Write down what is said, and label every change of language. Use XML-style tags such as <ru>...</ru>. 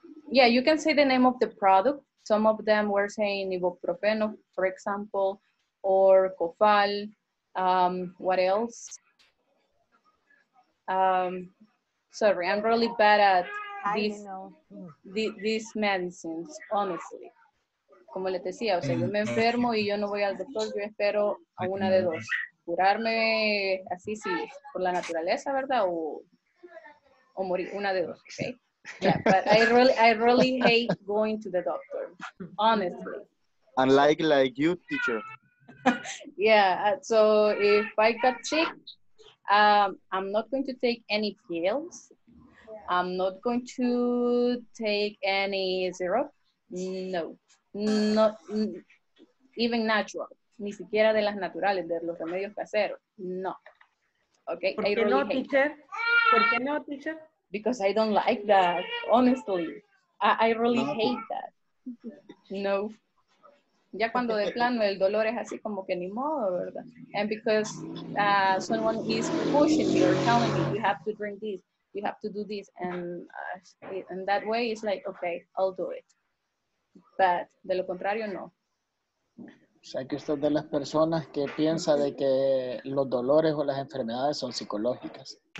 <en>Yeah, you can say the name of the product. Some of them were saying ibuprofeno, for example, or Cofal. What else? Sorry, I'm really bad at these medicines, honestly.</en> <es>Como les decía, o sea, yo me enfermo y yo no voy al doctor, yo espero a una de dos. Curarme así, sí, por la naturaleza, ¿verdad? O morir, una de dos, ¿ok?</es> <en>Yeah, but I really hate going to the doctor, honestly. Unlike like you, teacher. Yeah, so if I got sick, I'm not going to take any pills. I'm not going to take any syrup. No.</en> <es>No,</es> <en>even natural,</en> <es>ni siquiera de las naturales, de los remedios caseros, no.</es> <en>Okay,</en> <es>¿por qué no, teacher? ¿Por qué no, teacher?</es> <en>Because I don't like that, honestly. I really hate that. No.</en> <es>Ya cuando de plano el dolor es así como que ni modo, ¿verdad?</es> <en>And because someone is pushing me or telling me, you have to drink this, you have to do this, and in that way it's like, okay, I'll do it.</en> <es>But de lo contrario, no. O sea, que usted es de las personas que piensa de que los dolores o las enfermedades son psicológicas.</es>